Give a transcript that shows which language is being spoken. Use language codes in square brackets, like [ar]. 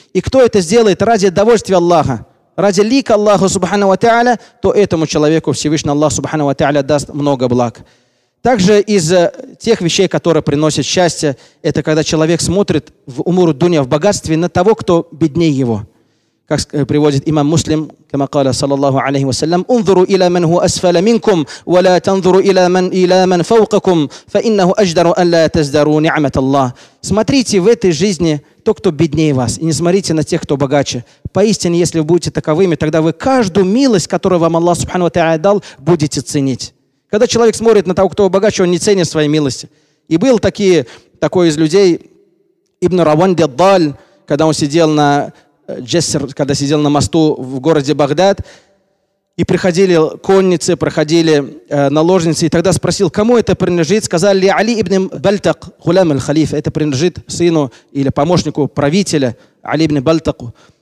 [ru] И кто это сделает ради довольствия Аллаха, ради лика Аллаха субхану ва та'аля, то этому человеку Всевышний Аллах субхану ва та'аля даст много благ. Также из тех вещей, которые приносят счастье, это когда человек смотрит в умуру дунья, в богатстве, на того, кто беднее его. Как приводит имам Муслим, [ar] كما قال صلى الله عليه وسلم: انظروا الى من هو اسفل منكم ولا تنظروا الى من الى من فوقكم فانه اجدر ان لا تزدروا نعمه الله. [ru] Смотрите в этой жизни то, кто беднее вас, и не смотрите на тех, кто богаче. Поистине, если вы будете таковыми, тогда вы каждую милость, которую вам Аллах субхану ва тааля дал, будете ценить. Когда человек смотрит на того, кто богаче, он не ценит свои милости. И был такой из людей Ибн Раванди ад-Даль, когда он сидел на Джессер, когда сидел на мосту в городе Багдад, и приходили конницы, проходили наложницы, и тогда спросил, кому это принадлежит, сказали: «Али ибн Бальтак, гулям аль-халифа», это принадлежит сыну или помощнику правителя, Али ибн Бальтаку.